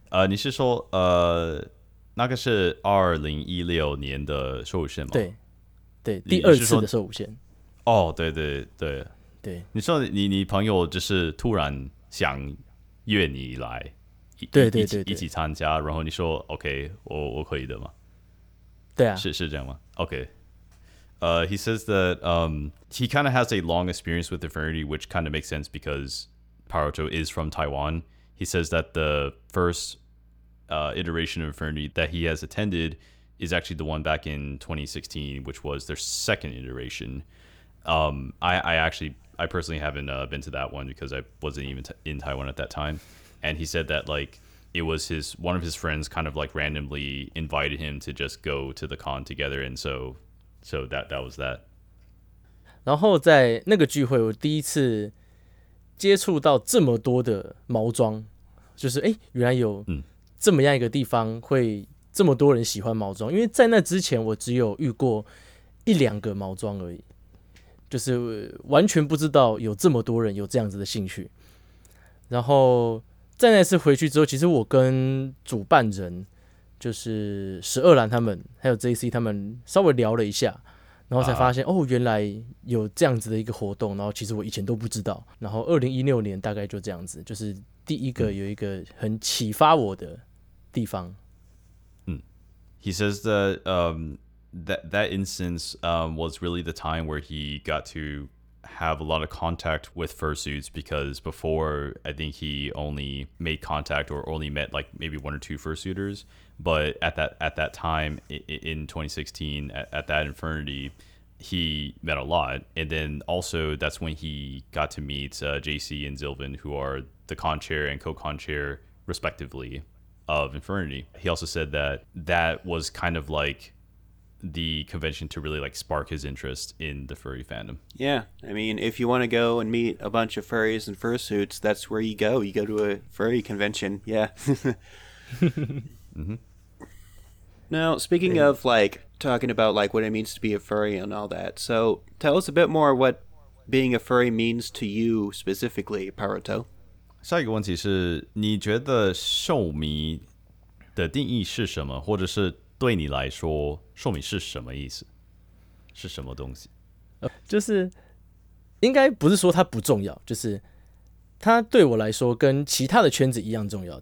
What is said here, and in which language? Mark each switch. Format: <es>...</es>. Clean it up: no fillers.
<zh>你是说那个是2016年的兽限吗？对对，第二次的兽限。哦，对对对对，你说你朋友就是突然想约你来，对对 对, 对，一起参加，然后你说 OK， 我可以的吗？对啊，是这样吗</zh> <en>？OK， he says that he kind of has a long experience with the Furry, which kind of makes sense because Paroto is from Taiwan. He says that the first iteration of Furry that he has attended is actually the one back in 2016, which was their second iteration. I personally haven't been to that one because I wasn't even in Taiwan at that time. And he said that like it was one of his friends kind of like randomly invited him to just go to the con together, and so that was that.</en> <zh>然后在那个聚会，我第一次接触到这么多的毛装，就是哎，原来有这么样一个地方会这么多人喜欢毛装，因为在那之前我只有遇过一两个毛装而已，就是完全不知道有这么多人有这样子的兴趣，然后。在那次回去之后，其实我跟主办人就是十二兰他们还有 JC 他们稍微聊了一下，然后才发现、原来有这样子的一个活动，然后其实我以前都不知道，然后2016年大概就这样子，就是第一个有一个很启发我的地方。</zh> <en>He says that, that instance was really the time where he got to have a lot of contact with fursuits, because before I think he only made contact or only met like maybe one or two fursuiters, but at that time in 2016 at that Infernity he met a lot, and then also that's when he got to meet JC and Zilvin, who are the con chair and co-con chair respectively of Infernity. He also said that was kind of like the convention to really like spark his interest in the furry fandom. Yeah, I mean, if you want to go and meet a bunch of furries and fursuits, that's where you go. You go to a furry convention. Yeah. mm-hmm. Now, speaking of like talking about like what it means to be a furry and all that, so tell us a bit more what being a furry means to you specifically, Paroto.</en> <zh>下一个问题是，你觉得兽迷的定义是什么，或者是对你来说，兽迷是什么意思？是什么东西？就是应该不是说它不重要，就是它对我来说跟其他的圈子一样重要。</zh>